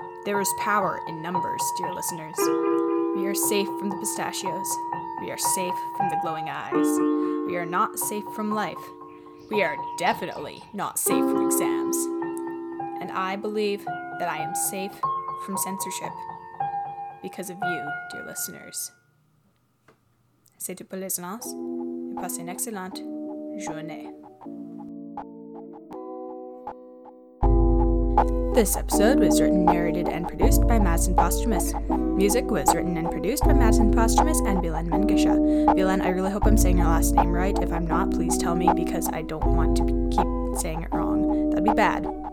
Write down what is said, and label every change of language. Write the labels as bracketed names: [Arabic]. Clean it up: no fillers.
[English] There is power in numbers, dear listeners. We are safe from the pistachios. We are safe from the glowing eyes. We are not safe from life. We are definitely not safe from exams. And I believe that I am safe from censorship because of you, dear listeners. [French] C'est tout pour les annonces. Et passez une excellente journée. [English] This episode was written, narrated, and produced by Madison Posthumus. Music was written and produced by Madison Posthumus and Bilen Mengisha. Bilen, I really hope I'm saying your last name right. If I'm not, please tell me because I don't want to keep saying it wrong. That'd be bad.